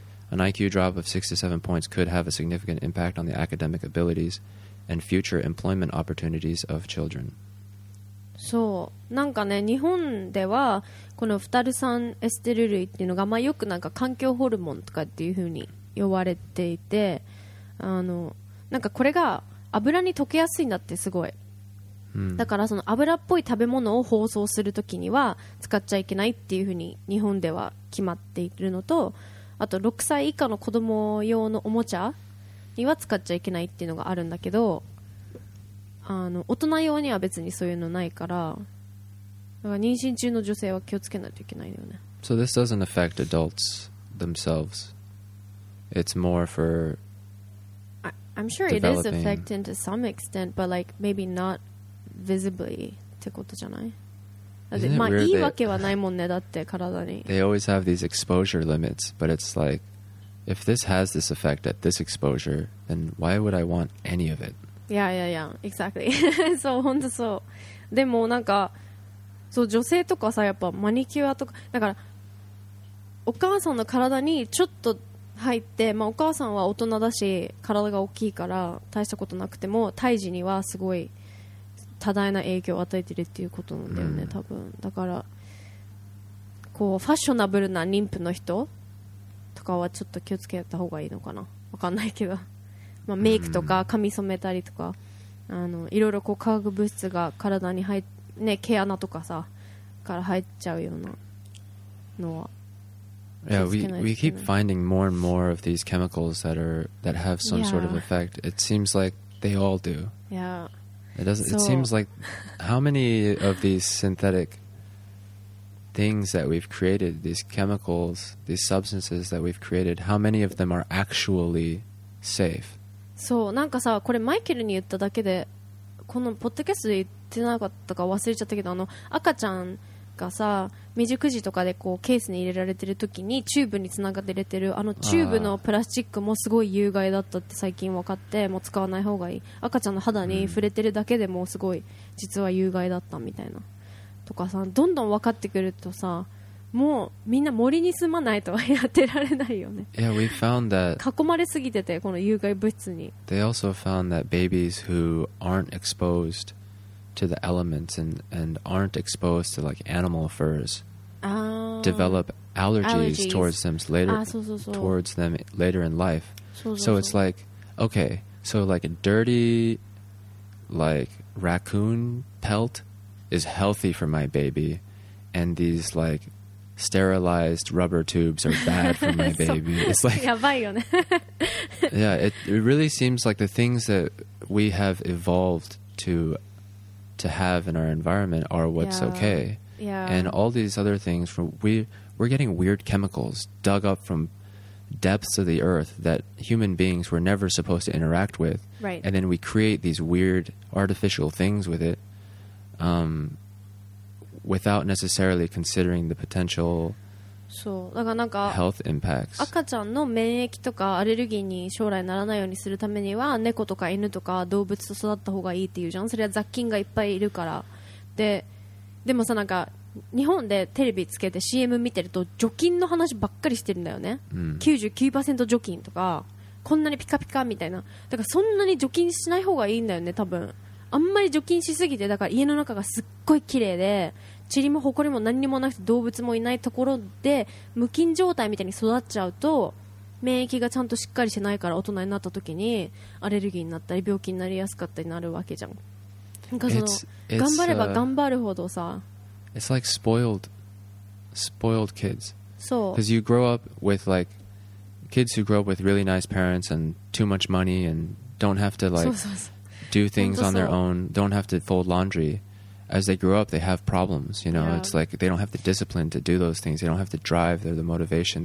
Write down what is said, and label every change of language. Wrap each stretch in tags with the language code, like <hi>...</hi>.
<en>An IQ drop of 6 to 7 points could have a significant impact on the academic abilities and future employment opportunities of children.</en> <ja>そう、なんかね、日本ではこのフタル酸エステル類っていうのが、まあ、よくなんか環境ホルモンとかっていう風に呼ばれていて、なんかこれが油に溶けやすいんだってすごい、うん、だからその油っぽい食べ物を包装するときには使っちゃいけないっていう風に日本では決まっているのと、あと6歳以下の子供用のおもちゃには使っちゃいけないっていうのがあるんだけど、大人用には別にそういうのないから、だから妊娠中の女性は気をつけないといけないよね。</ja> <en>So this doesn't affect adults themselves. It's more for I'm sure it is affecting to some extent, but like maybe not visibly</en> <ja>ってことじゃない？まあいいわけはないもんね、だって体に。</ja> <en>They always have these exposure limits, but it's like if this has this effect at this exposure, then why would I want any of it? Yeah, yeah, yeah, exactly.</en> <ja>そう、本当そう。でもなんかそう、女性とかさ、やっぱマニキュアとかだから、お母さんの体にちょっと入って、まあ、お母さんは大人だし体が大きいから大したことなくても、胎児にはすごい多大な影響を与えてるっていうことなんだよね、多分。だからこうファッショナブルな妊婦の人とかはちょっと気をつけた方がいいのかな、わかんないけど。まあ、メイクとか髪染めたりとか、いろいろこう化学物質が体に入っ、ね、毛穴とかさから入っちゃうようなのは。</ja> <en>Yeah, we keep finding more and more of these chemicals that have some、 yeah. sort of effect. It seems like they all do. Yeah. It seems like how many of these synthetic things that we've created, these chemicals, these substances that we've created, how many of them are actually safe?</en> <ja>そう、なんかさ、これマイケルに言っただけで、このポッドキャストで言ってなかったか忘れちゃったけど、赤ちゃんがさ未熟児とかでこうケースに入れられてる時にチューブにつながって入れてる、チューブのプラスチックもすごい有害だったって最近分かって、もう使わない方がいい、赤ちゃんの肌に触れてるだけでもうすごい実は有害だったみたいなとかさ、どんどん分かってくるとさ、もうみんな森に住まないとはやってられないよね。</ja> <en>Yeah, we found that</en> <ja>囲まれすぎてて、この有害物質に。</ja> <en>They also found that babies who aren't exposed to the elements and aren't exposed to like animal furs develop allergies towards them later in life.</en> <ja>そうそうそう。</ja> <en>So it's like, okay, So like a dirty, like raccoon pelt is healthy for my baby, and these like sterilized rubber tubes are bad for my baby. It's like, yeah, it really seems like the things that we have evolved to have in our environment are what's okay. Yeah. And all these other things, we're getting weird chemicals dug up from depths of the earth that human beings were never supposed to interact with. Right. And then we create these weird artificial things with it without necessarily considering the potential health impacts.</en> <ja>赤ちゃんの免疫とかアレルギーに将来ならないようにするためには猫とか犬とか動物と育った方がいいっていうじゃん。それは雑菌がいっぱいいるから。でもさ、なんか日本でテレビつけて CM 見てると除菌の話ばっかりしてるんだよね、うん、 99% 除菌とかこんなにピカピカみたいな。だからそんなに除菌しない方がいいんだよね多分。あんまり除菌しすぎて、だから家の中がすっごい綺麗で塵もホコリも何にもなくて動物もいないところで無菌状態みたいに育っちゃうと免疫がちゃんとしっかりしてないから大人になった時にアレルギーになったり病気になりやすかったりなるわけじゃん。なんかその頑張れば頑張るほどさ、</ja> <en>It's like spoiled kids. So, because you grow up with like kids who grow up with really nice parents and too much money and don't have to like do things on their own, don't have to fold laundry. As they grow up, they have problems, you know. Yeah. It's like they don't have the discipline to do those things. They don't have the drive or the motivation.</en>